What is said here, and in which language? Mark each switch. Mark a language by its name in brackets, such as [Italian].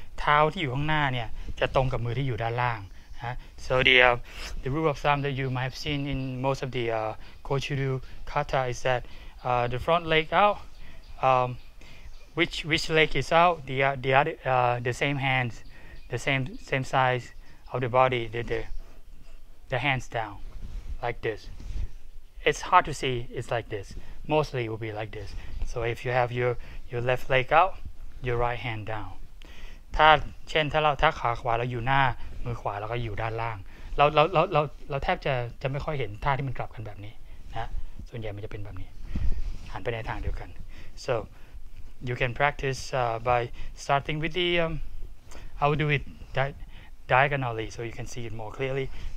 [Thai] เท้าที่อยู่ข้างหน้าเนี่ยจะตรงกับมือที่อยู่ด้านล่างนะ [English] So the rule of thumb that you might have seen in most of the Kochiru Kata is that the front leg out which leg is out the same sizeof the body, the hands down, like this. It's hard to see, it's like this. Mostly it will be like this. So if you have your left leg out, your right hand down. [Thai] ถ้าเช่นถ้าขาขวาเราอยู่หน้ามือขวาเราก็อยู่ด้านล่างเราแทบจะไม่ค่อยเห็นท่าที่มันกลับกันแบบนี้นะส่วนใหญ่มันจะเป็นแบบนี้หันไปในทางเดียวกัน [English] So you can practice by starting with the I will do it that diagonally, so you can see it more clearly.